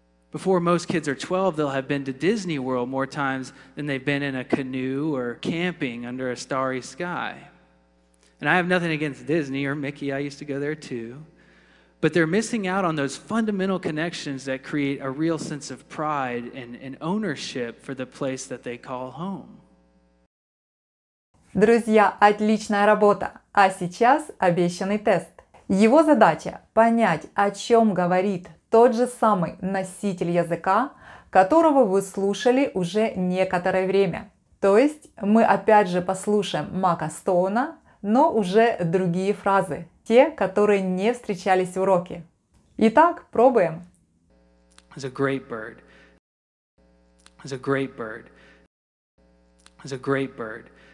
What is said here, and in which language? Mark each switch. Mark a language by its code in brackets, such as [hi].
[en] Before most kids are 12, they'll have been to Disney World more times than they've been in a canoe or camping under a starry sky. And I have nothing against Disney or Mickey, I used to go there too. But they're missing out on those fundamental connections that create a real sense of pride and ownership for the place that they call home. [ru] Друзья, отличная работа. А сейчас обещанный тест. Его задача – понять, о чем говорит тот же самый носитель языка, которого вы слушали уже некоторое время. То есть мы опять же послушаем Мака Стоуна, но уже другие фразы, те, которые не встречались в уроке. Итак, пробуем. [en] It's a great bird. It's a great bird. It's a great bird.